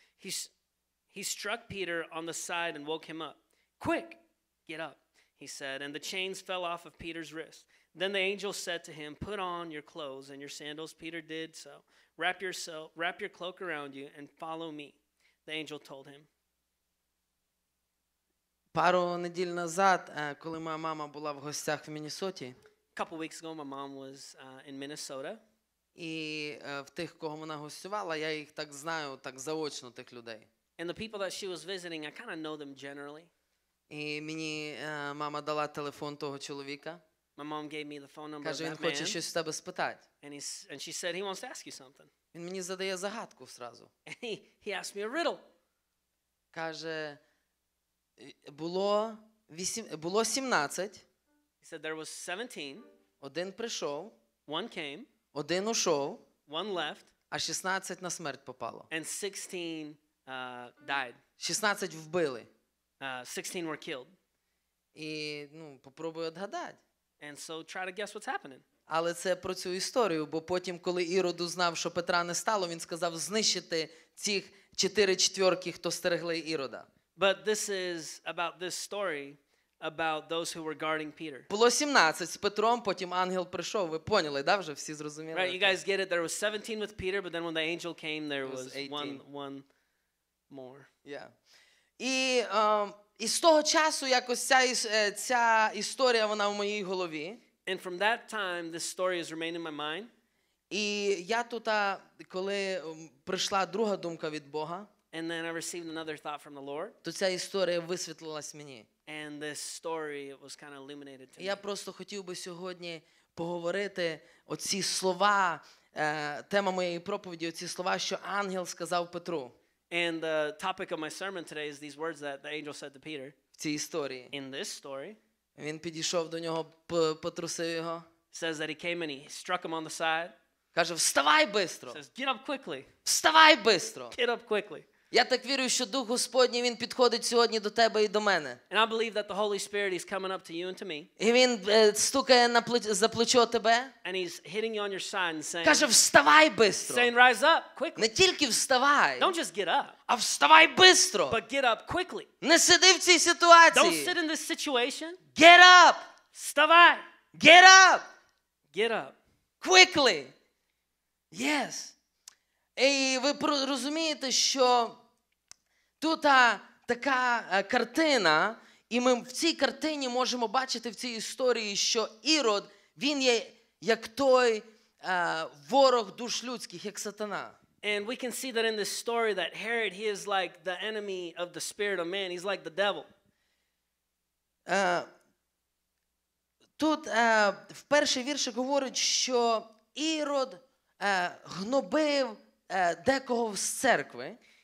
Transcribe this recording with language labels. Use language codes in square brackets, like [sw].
[en] He struck Peter on the side and woke him up. "Quick, get up," he said, and the chains fell off of Peter's wrist. Then the angel said to him, "Put on your clothes and your sandals." Peter did so. Wrap your cloak around you and follow me," the angel told him. [uk] Пару неділь назад, коли моя мама була в гостях в Міннесоті, [en] a couple weeks ago my mom was in Minnesota. [uk] І в тих, кого вона гостювала, я їх так знаю, так заочно тих людей. [en] And the people that she was visiting, I kind of know them generally. [uk] І мені мама дала телефон того чоловіка. [en] My mom gave me the phone number. [uk] Каже, він хоче щось у тебе спитати. [en] And she said he wants to ask you something. [uk] Він мені задає загадку зразу. [en] He asked me a riddle. [uk] Каже, було 17. [en] He said there was 17. [uk] Один прийшов. [en] One came. [uk] Один ушов, [en] one left, [uk] а 16 на смерть попало. [en] And 16 died. [uk] 16 вбили. [en] 16 were killed. [uk] І, ну, попробую отгадати. [en] And so try to guess what's happening. [uk] Але це про цю історію, бо потім, коли Ірод узнав, що Петра не стало, він сказав знищити цих чотири четвірки, хто стерегли Ірода. [en] But this is about this story about those who were guarding Peter. [uk] Було 17 з Петром, потім ангел прийшов. Ви поняли, да, вже всі зрозуміли. [en] Right, you guys get it. There was 17 with Peter, but then when the angel came, there was one more. Yeah. [uk] І з того часу якось ця історія вона в моїй голові. [en] And from that time this story has remained in my mind. [uk] І я тут, коли прийшла друга думка від Бога, [en] and then I received another thought from the Lord. [uk] То ця історія висвітлилась мені. [en] And this story was kind of illuminated to me. [uk] Я просто хотів би сьогодні поговорити оці слова, тема моєї проповіді, оці слова, що ангел сказав Петру. [en] And the topic of my sermon today is these words that the angel said to Peter. [uk] В цій історії. [en] In this story. [uk] Він підійшов до нього, потрусив його. [en] Says that he came and he struck him on the side. [uk] Каже, вставай швидко. [en] Says, get up quickly. [uk] Вставай швидко. [en] Get up quickly. [uk] Я так вірю, що Дух Господній, він підходить сьогодні до тебе і до мене. [en] And I believe that the Holy Spirit is coming up to you and to me. [uk] І він стукає на за плечо тебе. [en] And he's hitting you on your side and saying, [uk] каже, вставай швидко. [en] Saying, rise up quickly. [uk] Не тільки вставай. [en] Don't just get up. [uk] А вставай швидко. [en] But get up quickly. [uk] Не сиди в цій ситуації. [en] Don't sit in this situation. Get up. [uk] Вставай. [en] Get up. Get up. Quickly. Yes. [uk] І ви розумієте, що тут така картина, і ми в цій картині можемо бачити в цій історії, що Ірод, він є як той ворог душ людських, як сатана. [en] And we can see that in this story that Herod, he is like the enemy of the spirit of man. He's like the devil. [uk] Тут в перший вірші говорить, що Ірод гнобив декого з церкви.